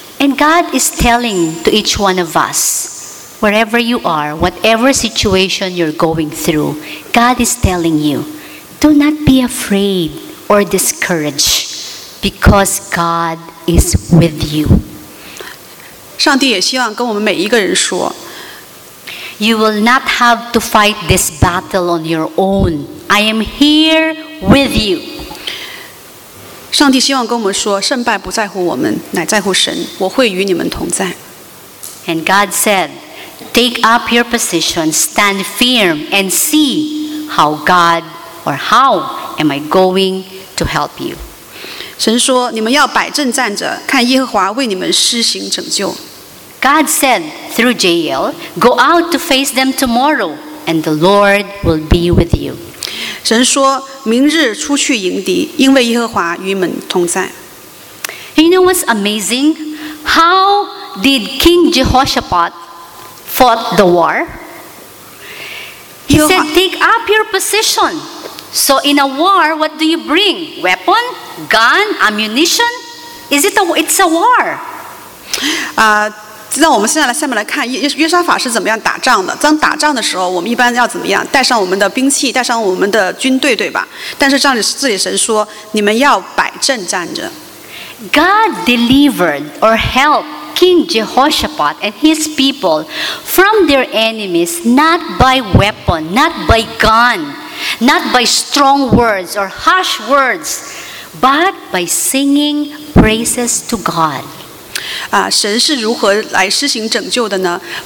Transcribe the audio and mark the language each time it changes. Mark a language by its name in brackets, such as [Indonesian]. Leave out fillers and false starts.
[English] And God is telling to each one of us, wherever you are, whatever situation you're going through, God is telling you, do not be afraid or discouraged, because God is with you. [Chinese] 上帝也希望跟我们每一个人说， [English] You will not have to fight this battle on your own. I am here with you. [Chinese] 上帝希望跟我们说，胜败不在乎我们，乃在乎神。我会与你们同在。 [English] And God said, "Take up your position, stand firm, and see how God or how am I going to help you." [Chinese] 神说，你们要摆正站着，看耶和华为你们施行拯救。 [English] God said through Jael, "Go out to face them tomorrow, and the Lord will be with you." [Chinese] 神说，明日出去迎敌，因为耶和华与你们同在。 [English] You know what's amazing? How did King Jehoshaphat fought the war. He said, take up your position. So in a war, what do you bring? Weapon? Gun? Ammunition? It's a war. [Chinese] 那我们现在来看约沙法是怎么样打仗的。当打仗的时候，我们一般要怎么样？带上我们的兵器， 带上我们的军队， 对吧？但是这里神说， 你们要摆阵站着。 [English] God delivered or helped King Jehoshaphat and his people from their enemies not by weapon, not by gun, not by strong words or harsh words, but by singing praises to God. [Chinese] 神是如何来施行拯救的呢？